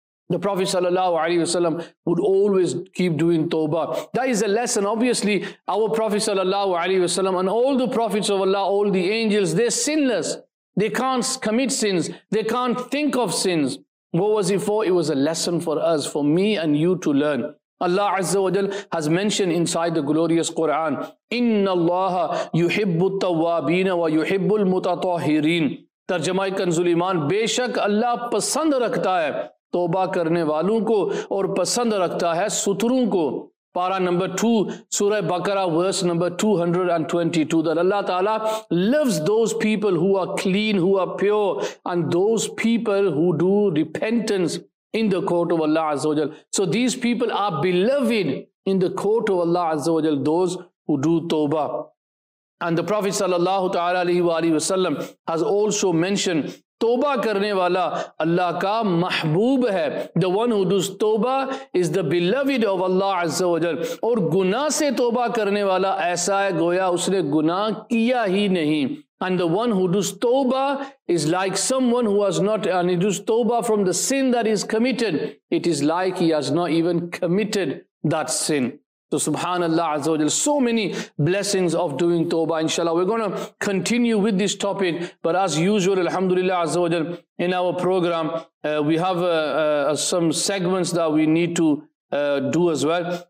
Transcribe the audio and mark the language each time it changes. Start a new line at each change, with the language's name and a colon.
English: The Prophet sallallahu alayhi wa sallam would always keep doing tawbah. That is a lesson. Obviously, our Prophet sallallahu alayhi wa sallam and all the Prophets of Allah, all the angels, they're sinless. They can't commit sins. They can't think of sins. What was it for? It was a lesson for us, for me and you to learn. Allah Azza wa Jal has mentioned inside the glorious Quran,
Arabic: إِنَّ اللَّهَ يُحِبُّ التَّوَّابِينَ وَيُحِبُّ الْمُتَطَهِرِينَ
Urdu: ترجمہ کنزل ایمان, بے شک اللہ پسند رکھتا ہے توبہ کرنے والوں کو اور پسند رکھتا ہے ستروں کو.
English: Para number 2, Surah Baqarah, verse number 222, that Allah Ta'ala loves those people who are clean, who are pure, and those people who do repentance in the court of Allah Azza wa Jal. So these people are beloved in the court of Allah Azza wa Jal, those who do tawbah. And the Prophet Sallallahu Ta'ala Alaihi Wa Alaihi Wasallam has also mentioned,
Urdu: توبہ کرنے والا اللہ کا محبوب ہے.
English: The one who does توبہ is the beloved of Allah عز و جل.
Urdu: اور گناہ سے توبہ کرنے والا ایسا ہے گویا اس نے گناہ کیا ہی نہیں.
English: And the one who does توبہ is like someone who has not, and he does توبہ from the sin that is committed, it is like he has not even committed that sin. So subhanallah azza wa jal, so many blessings of doing tawbah. Inshallah, we're going to continue with this topic. But as usual, alhamdulillah azza wa jal, in our program, we have some segments that we need to do as well.